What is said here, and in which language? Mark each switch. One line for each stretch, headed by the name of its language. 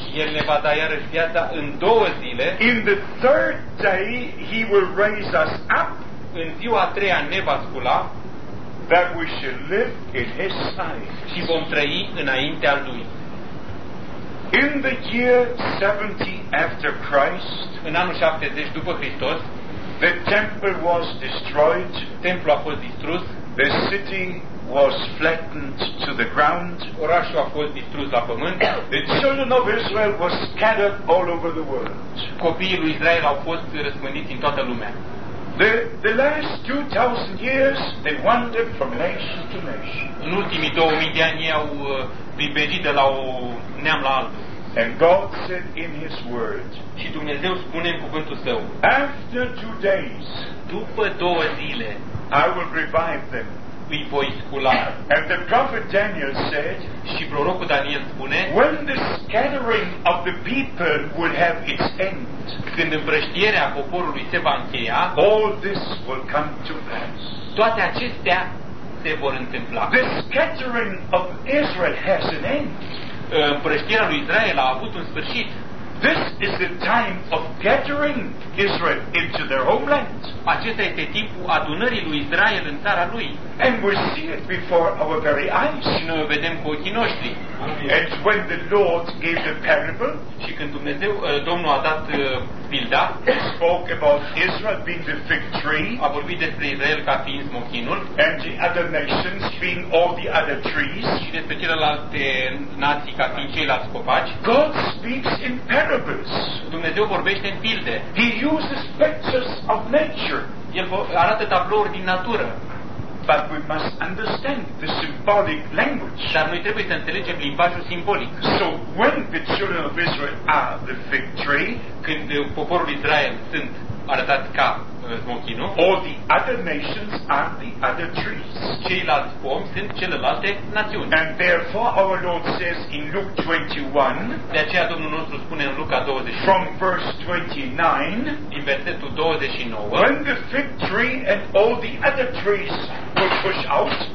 Romanian: El ne va da iarăși viața în două zile.
English: In the third day, he will raise us up.
Romanian: În ziua a treia ne va scula,
English: that we should live in his sight.
Romanian: Și vom trăi înaintea lui.
English: In the year 70 after Christ,
Romanian: în anul 70 după Hristos,
English: the temple was destroyed,
Romanian: templul a fost distrus,
English: the city was flattened to the ground,
Romanian: orașul a fost distrus la pământ,
English: the children of Israel were scattered all over the world.
Romanian: Copiii lui Israel au fost răspândiți în toată lumea.
English: The last 2000 years they wandered from nation to nation.
Romanian: În ultimii 2000 de ani au viberit de la un neam la altul.
English: And God said in his word.
Romanian: Și Dumnezeu spune în cuvântul său.
English: After 2 days.
Romanian: După două zile.
English: I will revive them.
Romanian: Îi voi scula.
English: And the prophet Daniel said.
Romanian: Și prorocul Daniel spune.
English: When the scattering of the people will have its end.
Romanian: Când împrăștierea poporului se va încheia,
English: all this will come to pass.
Romanian: Toate acestea se vor întâmpla.
English: The scattering of Israel has an end.
Romanian: Împrăștierea lui Israel a avut un sfârșit.
English: This is the time of gathering Israel into their homeland.
Romanian: Acesta este timpul adunării lui Israel în țara lui.
English: And we see it before our very eyes.
Romanian: Și noi o vedem cu ochii noștri.
English: And when the Lord gave the parable,
Romanian: și când Dumnezeu, Domnul a dat pilda,
English: spoke about Israel being the fig tree,
Romanian: a vorbit despre Israel ca fiind smochinul,
English: and the other nations being all the other trees,
Romanian: și despre celelalte nații ca fiind ceilalți copaci,
English: God speaks in parables.
Romanian: Dumnezeu vorbește în pilde.
English: He uses pictures of nature.
Romanian: El arată tablouri din natură.
English: But we must understand the symbolic language.
Romanian: Dar noi trebuie să înțelegem limbajul simbolic.
English: So when the children of Israel are the fig tree,
Romanian: când poporul Israel sunt arătat ca smochinul,
English: all the other nations are the other trees.
Romanian: Ceilalți pomi sunt celelalte națiuni.
English: And therefore our Lord says in Luke 21,
Romanian: de aceea Domnul nostru spune în Luca 21,
English: from verse 29,
Romanian: din versetul 29,
English: when the fig tree and all the other trees will push out,